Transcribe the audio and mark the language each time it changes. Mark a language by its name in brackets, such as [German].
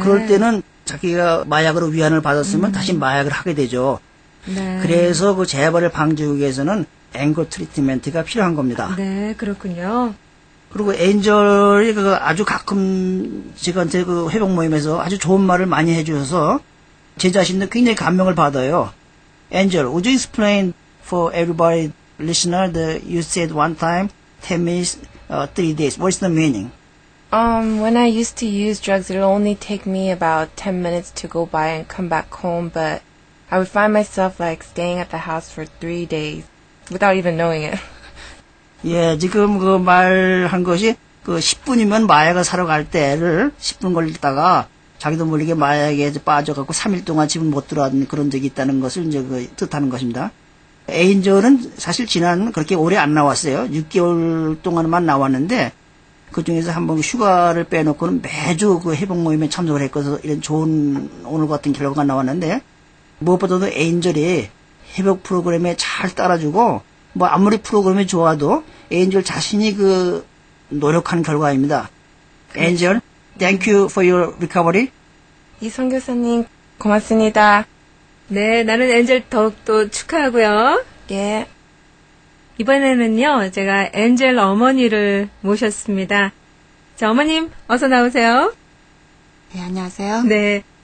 [Korean] 그럴 때는 자기가 마약으로 위안을 받았으면 다시 마약을 하게 되죠. 네. 그래서 그 재발을 방지하기 위해서는 앵거 트리트먼트가 필요한 겁니다. 네, 그렇군요. 그리고 엔젤이 그 아주 가끔 제가한테 그 회복 모임에서 아주 좋은 말을 많이 해주셔서 제 자신도 굉장히 감명을 받아요. [English] Angel, would you explain for everybody listener that you said one time, 10 minutes, 3 days? What's the meaning? When I used to use drugs, it would only take me about 10 minutes to go by and come back home, but I would find myself like staying at the house for 3 days without even knowing it. [Korean] 예, 지금 그 말한 것이 그 10분이면 마약을 사러 갈 때를 10분 걸리다가 자기도 모르게 마약에 빠져갖고 3일 동안 집을 못 들어왔던 그런 적이 있다는 것을 이제 그 뜻하는 것입니다. 에인저는 사실 지난 그렇게 오래 안 나왔어요. 6개월 동안만 나왔는데 그중에서 한번 휴가를 빼놓고는 매주 그 회복 모임에 참석을 했고서 이런 좋은 오늘 같은 결과가 나왔는데 무엇보다도 에인저이 회복 프로그램에 잘 따라주고 뭐 아무리 프로그램이 좋아도 에인저 자신이 그 노력한 결과입니다. 에인저 [English] Thank you for your recovery. [Korean] 이성 교수님, 고맙습니다. 네, 나는 엔젤 더욱더 축하하고요. 예. 이번에는요, 제가 엔젤 어머니를 모셨습니다. 자, 어머님, 어서 나오세요. 네, 안녕하세요. 네.